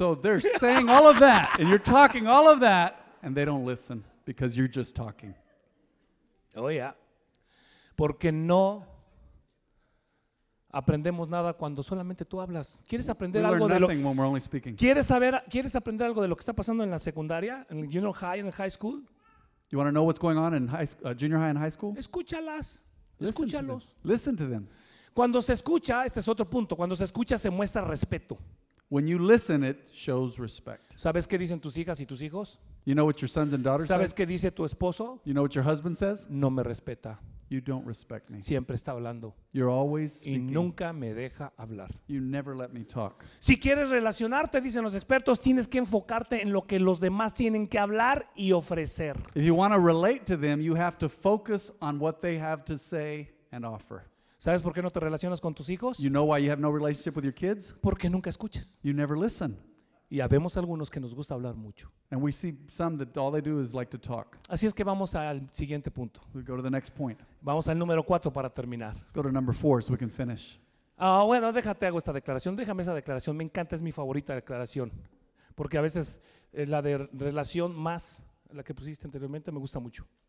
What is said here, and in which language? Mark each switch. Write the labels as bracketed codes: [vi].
[en] So they're saying all of that, and you're talking all of that, and they don't listen because you're just talking. Oh, yeah. [es] Porque no aprendemos nada cuando solamente tú hablas. ¿Quieres aprender algo de lo que [en] we're only speaking? [es] ¿Quieres aprender algo de lo que está pasando en la secundaria, en el junior high, en el high school? [en] You want to know what's going on in high, junior high and high school? [es] Escúchalas. Escúchalos. [en] Listen to them. [es] Cuando se escucha, este es otro punto, cuando se escucha se muestra respeto. [en] When you listen, it shows respect. [es] ¿Sabes qué dicen tus hijas y tus hijos? [en] You know what your sons and daughters [es] ¿Sabes [en] say? [es] Qué dice tu esposo? [en] You know what your husband says? [es] No me respeta. [en] You don't respect me. [es] Siempre está hablando. [en] You're always speaking. [es] Y nunca me deja hablar. [en] You never let me talk. [es] Si quieres relacionarte, dicen los expertos, tienes que enfocarte en lo que los demás tienen que hablar y ofrecer. [en] If you want to relate to them, you have to focus on what they have to say and offer. [es] ¿Sabes por qué no te relacionas con tus hijos? [en] You know why you have no relationship with your kids? [es] Porque nunca escuchas. [en] You never listen. [es] Y habemos algunos que nos gusta hablar mucho. [en] And we see some that all they do is like to talk. [es] Así es que vamos al siguiente punto. [en] We'll go to the next point. [es] Vamos al número 4 para terminar. [en] Let's go to number 4 so we can finish. [es] Bueno, déjate, hago esta declaración. Déjame esa declaración. Me encanta, es mi favorita declaración. Porque a veces la de relación más, la que pusiste anteriormente, me gusta mucho.